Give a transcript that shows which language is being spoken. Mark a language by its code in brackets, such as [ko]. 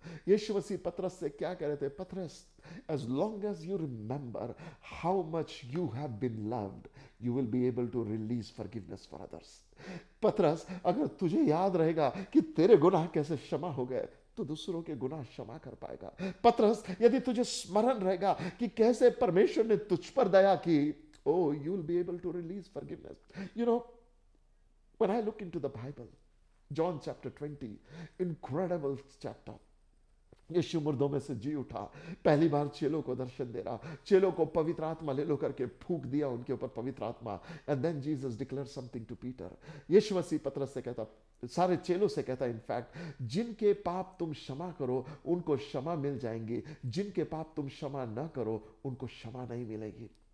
[hi] यीशु मसीह पतरस से क्या कह रहे थे, [en] पतरस, as long as you remember how much you have been loved you will be able to release forgiveness for others. [hi] पतरस, अगर तुझे याद रहेगा कि तेरे गुनाह कैसे क्षमा हो गए तो दूसरों के गुनाह क्षमा कर पाएगा. पतरस, यदि तुझे स्मरण रहेगा कि कैसे परमेश्वर ने तुझ पर दया की, [en] oh, you will be able to release forgiveness. You know, when I look into the Bible, John chapter 20, incredible chapter. [hi] यीशु मुर्दों में से जी उठा, पहली बार चेलों को दर्शन दे रहा, चेलों को पवित्र आत्मा ले लो करके फूंक दिया उनके ऊपर पवित्र आत्मा. [en] And then Jesus declare something to Peter. [hi] यीशु मसीह पतरस से कहता, सारे चेलों से कहता, इनफैक्ट जिनके पाप तुम क्षमा करो उनको क्षमा मिल जाएंगी, जिनके पाप तुम क्षमा ना करो उनको क्षमा नहीं मिलेगी.